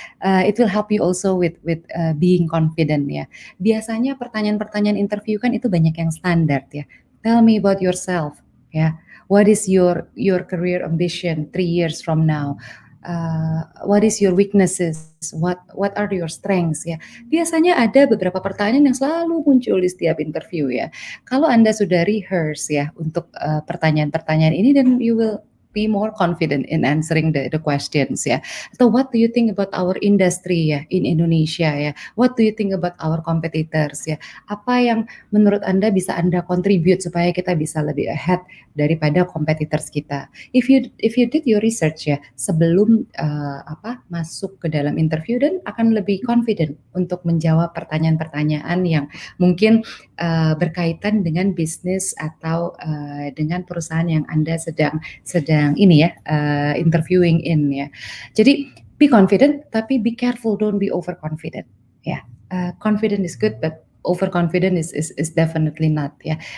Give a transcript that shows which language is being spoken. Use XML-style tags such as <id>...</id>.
<en>It will help you also with being confident ya.</en> <id>Biasanya pertanyaan-pertanyaan interview kan itu banyak yang standar ya.</id> <en>Tell me about yourself ya. What is your career ambition 3 years from now? What is your weaknesses? What are your strengths?</en> <id>Ya, biasanya ada beberapa pertanyaan yang selalu muncul di setiap interview ya. Kalau Anda sudah rehearse ya untuk pertanyaan-pertanyaan ini,</id> <en>then you will be more confident in answering the questions ya. Atau what do you think about our industry ya in Indonesia ya? What do you think about our competitors ya?</en> <id>Apa yang menurut Anda bisa Anda contribute supaya kita bisa lebih ahead daripada competitors kita?</id> <en>If you did your research</en> <id>ya sebelum masuk ke dalam interview, dan akan lebih confident untuk menjawab pertanyaan-pertanyaan yang mungkin berkaitan dengan bisnis atau dengan perusahaan yang Anda sedang ini ya interviewing in ya.</id> <en>Jadi be confident, tapi be careful, don't be overconfident ya. Confident is good, but overconfident is definitely not ya.</en>